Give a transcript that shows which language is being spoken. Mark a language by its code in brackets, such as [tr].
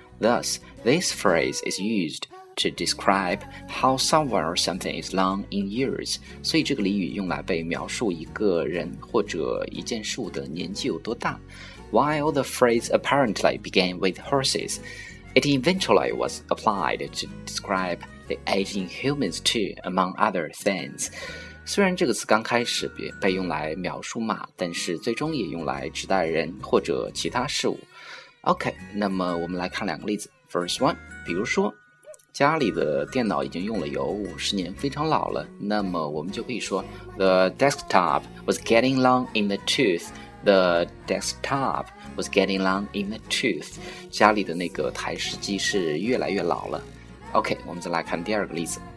[en] Thus, this phrase is used to describe how someone or something is long in years. [zh] 所以这个俚语用来被描述一个人或者一件事物的年纪有多大。 [en] While the phrase apparently began with horses, it eventually was applied to describe the age in humans too, among other things. [zh] 虽然这个词刚开始被用来描述马，但是最终也用来指代人或者其他事物。 OK, 那么我们来看两个例子。 [en] First one, [zh] 比如说，家里的电脑已经用了有50年，非常老了。那么我们就可以说 [en] ,The desktop was getting long in the tooth. The desktop was getting long in the tooth. [zh] 家里的那个台式机是越来越老了。OK, 我们再来看第二个例子。